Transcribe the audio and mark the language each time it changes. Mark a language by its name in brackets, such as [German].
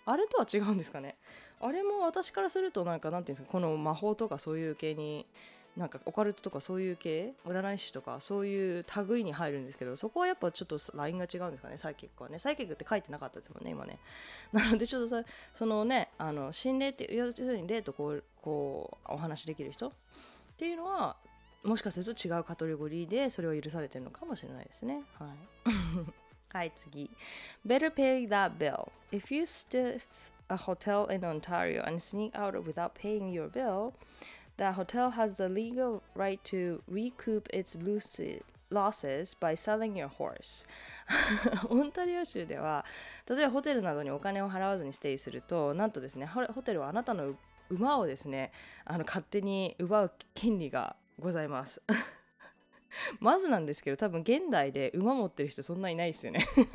[Japanese] あれとは違うんですかね。あれも私からするとなんか、なんていうんですか、この魔法とかそういう系に、なんかオカルトとかそういう系、占い師とかそういう類に入るんですけど、そこはやっぱちょっとラインが違うんですかね、サイケックはね。サイケックって書いてなかったですもんね、今ね。なのでちょっとさ、そのね、心霊っていう、要するに霊とこうお話できる人っていうのは、もしかすると違うカテリゴリーでそれを許されてるのかもしれないですね。はい、はい、次。 [English] Better pay that bill. If you stiff a hotel in Ontario and sneak out without paying your bill,The hotel has the legal right to recoup its losses by selling your horse. [Japanese] オンタリオ州では、例えばホテルなどにお金を払わずにステイすると、なんとですね、ホテルはあなたの馬をですね、勝手に奪う権利がございます。まずなんですけど、多分現代で馬持ってる人そんなにいないですよね。